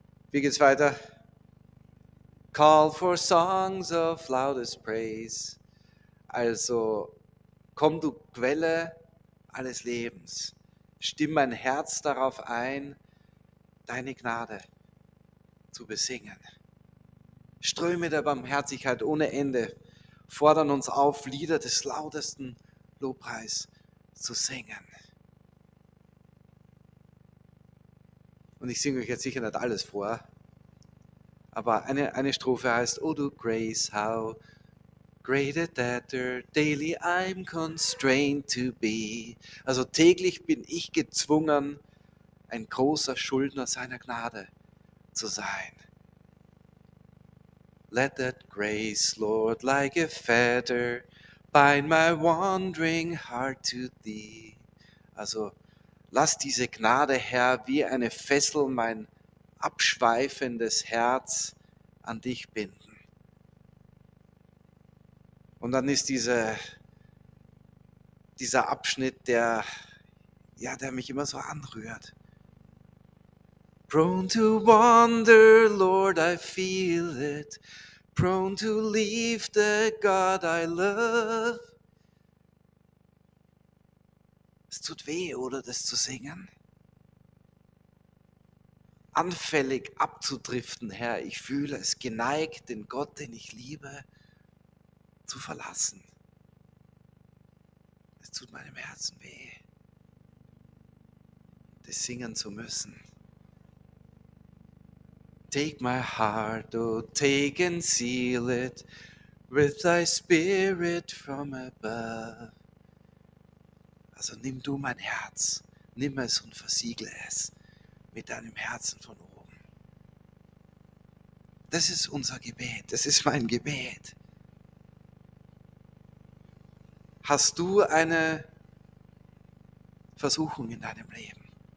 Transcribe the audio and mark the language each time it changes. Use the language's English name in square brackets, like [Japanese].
[German] Wie geht's weiter? [English] Call for songs of loudest praise. [German] Also, komm du Quelle alles Lebens. Stimm mein Herz darauf ein, deine Gnade zu besingen. Ströme der Barmherzigkeit ohne Ende fordern uns auf, Lieder des lautesten Lobpreis zu singen. Und ich singe euch jetzt sicher nicht alles vor, aber eine Strophe heißt: [English] O du Grace, how great a debtor daily I'm constrained to be. [German] Also täglich bin ich gezwungen, ein großer Schuldner seiner Gnade zu sein. [English] Let that grace, Lord, like a fetter, bind my wandering heart to thee. [German] Also lass diese Gnade, Herr, wie eine Fessel mein abschweifendes Herz an dich binden. Und dann ist dieser Abschnitt, der mich immer so anrührt. [English] Prone to wander, Lord, I feel it. Prone to leave the God I love. [German] Es tut weh, oder, das zu singen? Anfällig abzudriften, Herr, ich fühle es geneigt, den Gott, den ich liebe, zu verlassen. Es tut meinem Herzen weh, das singen zu müssen. [English] Take my heart, oh, take and seal it with thy spirit from above. [German] Also nimm du mein Herz, nimm es und versiegle es mit deinem Herzen von oben. Das ist unser Gebet, das ist mein Gebet. Hast du eine Versuchung in deinem Leben?